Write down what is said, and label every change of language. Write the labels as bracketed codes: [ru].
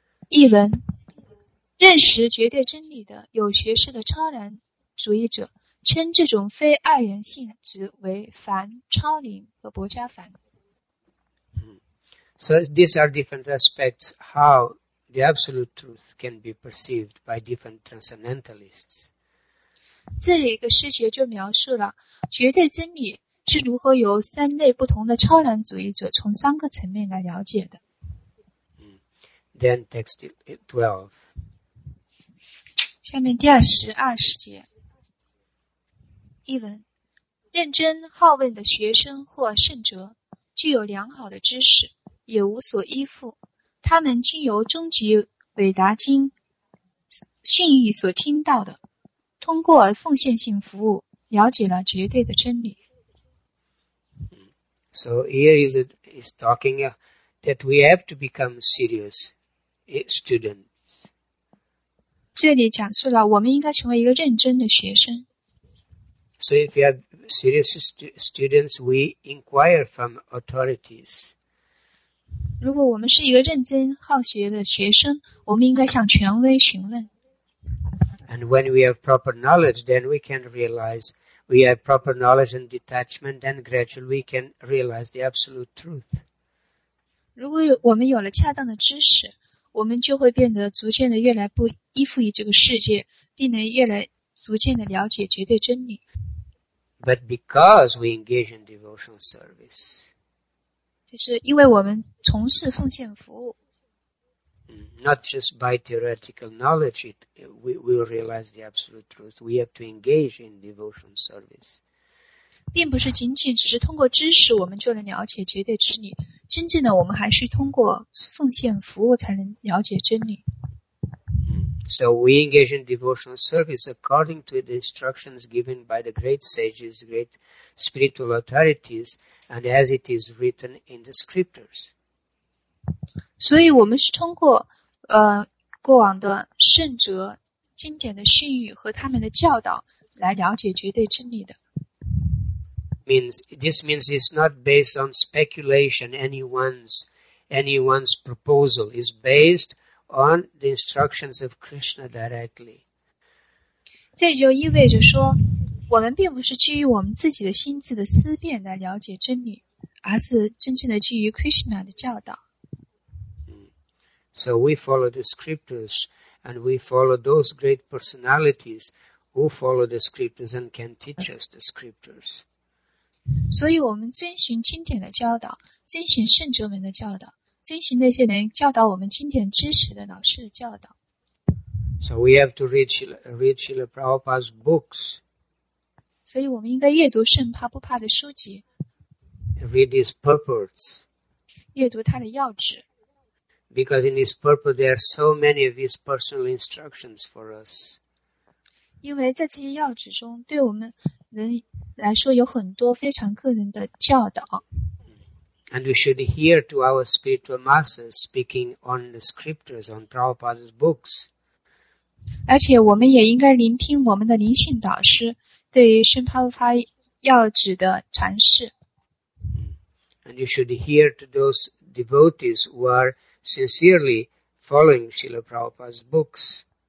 [zh] 译文，认识绝对真理的有学识的超然主义者称这种非二元性质为凡、超灵和薄伽凡。 [en] So these are different aspects how the absolute truth can be perceived by different transcendentalists. [zh] 这一个诗节就描述了绝对真理是如何由三类不同的超然主义者从三个层面来了解的。 [en] Then text 12. [zh] 下面第二十二诗节。译文，认真好问的学生或圣哲具有良好的知识，也无所依附，他们经由终极伟达经信义所听到的。通过奉献性服务了解了绝对的真理。 [en] So here is talking that we have to become serious students. [zh] 这里讲述了我们应该成为一个认真的学生。 [en] So if we are serious students, we inquire from authorities. [zh] 如果我们是一个认真好学的学生，我们应该向权威询问。 [en] And when we have proper knowledge, then we can realize we have proper knowledge and detachment, then gradually we can realize the absolute truth. [zh] 如果我们有了恰当的知识，我们就会变得逐渐的越来不依附于这个世界，并能越来逐渐地了解绝对真理。 [en] But because we engage in devotional service. [zh] 就是因为我们从事奉献服务。 [en] Not just by theoretical knowledge, we will realize the absolute truth. We have to engage in devotional service. [zh] 并不是仅仅只是通过知识我们就能了解绝对真理。真正的我们还是通过奉献服务才能了解真理。 [en] So we engage in devotional service according to the instructions given by the great sages, great spiritual authorities, and as it is written in the scriptures. [zh] 所以我们是通过过往的圣哲、经典的训语和他们的教导来了解绝对真理的。 [en] This means it's not based on speculation, anyone's proposal. It's based on the instructions of Krishna directly. [zh] 这就意味着说，我们并不是基于我们自己的心智的思辨来了解真理，而是真正的基于 Krishna 的教导。 [en] So we follow the scriptures and we follow those great personalities who follow the scriptures and can teach us the scriptures. [zh] 所以我们遵循经典的教导，遵循圣哲们的教导，遵循那些能教导我们经典知识的老师的教导。 [en] So we have to read Srila Prabhupada's books. [zh] 所以我们应该阅读圣帕布帕的书籍。 [en] Read his purports. [zh] 阅读他的要旨。 [en] Because in his purport there are so many of his personal instructions for us. [zh] 因为在这些要旨中对我们人来说有很多非常个人的教导。 [en] And we should hear to our spiritual masters speaking on the scriptures, on Prabhupada's books. [zh] 而且我们也应该聆听我们的灵性导师对于圣帕布帕要旨的阐释。 [en] And you should hear to those devotees who are sincerely following Srila Prabhupada's books.